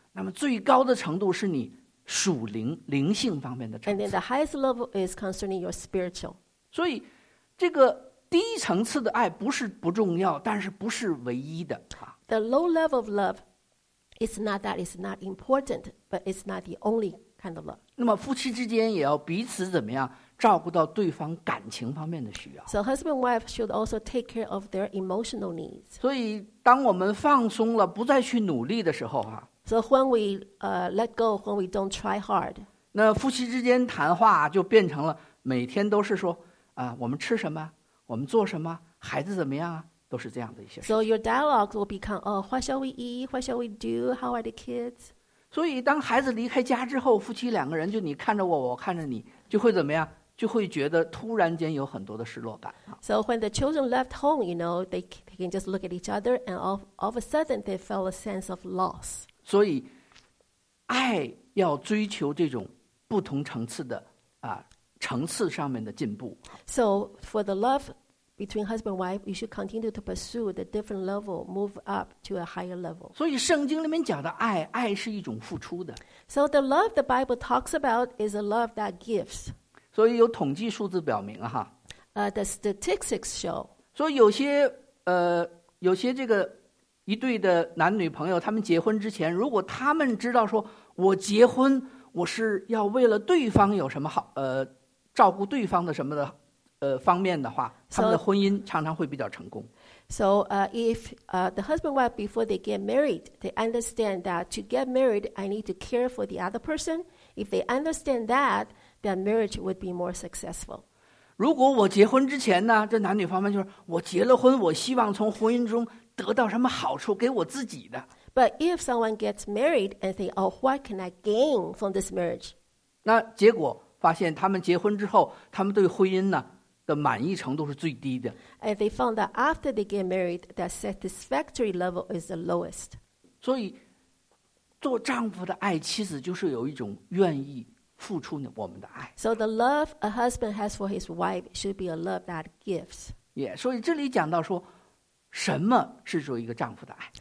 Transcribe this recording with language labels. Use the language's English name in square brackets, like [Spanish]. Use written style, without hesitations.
[Chinese] 那么最高的程度是你属灵灵性方面的层次 [English] And then the highest level is concerning your spiritual [Chinese] 所以这个低层次的爱不是不重要但是不是唯一的 [English] The low level of love is not that it's not important but it's not the only kind of love [Chinese] 那么夫妻之间也要彼此怎么样照顾到对方感情方面的需要 [English] So husband and wife should also take care of their emotional needs [Chinese] 所以当我们放松了不再去努力的时候 [English] So when we let go, when we don't try hard, [Chinese] 那夫妻之间谈话就变成了每天都是说啊，我们吃什么，我们做什么，孩子怎么样啊，都是这样的一些事。 [English] So your dialogue will become, oh, what shall we eat? What shall we do? How are the kids? [Chinese] 所以当孩子离开家之后，夫妻两个人就你看着我，我看着你，就会怎么样？就会觉得突然间有很多的失落感。 [English] So when the children left home, you know, they can just look at each other, and all of a sudden they felt a sense of loss. [Chinese] 所以爱要追求这种不同层次的层次上面的进步 [English] So for the love between husband and wife You should continue to pursue the different level Move up to a higher level [Chinese] 所以圣经里面讲的爱爱是一种付出的 [English] So the love the Bible talks about is a love that gives [Chinese] 所以有统计数字表明哈 [English] The statistics show [Chinese] 所以有些这个一对的男女朋友他们结婚之前如果他们知道说我结婚我是要为了对方有什么好照顾对方的什么的方面的话，他们的婚姻常常会比较成功。 [English] So, if the husband and wife before they get married, they understand that to get married, I need to care for the other person. If they understand that, their marriage would be more successful. [Chinese] 如果我结婚之前呢，这男女方面就是我结了婚，我希望从婚姻中得到什么好处给我自己的。 [English] But if someone gets married and think, "Oh, what can I gain from this marriage?" [Chinese] 那结果发现他们结婚之后，他们对婚姻呢？的满意程度是最低的。 [English] And they found that after they get married, that satisfactory level is the lowest. [Chinese] 所以，做丈夫的爱妻子就是有一种愿意付出我们的爱。 [English] So the love a husband has for his wife should be a love that gives. [Chinese] Yeah, 所以这里讲到说，什么是做一个丈夫的爱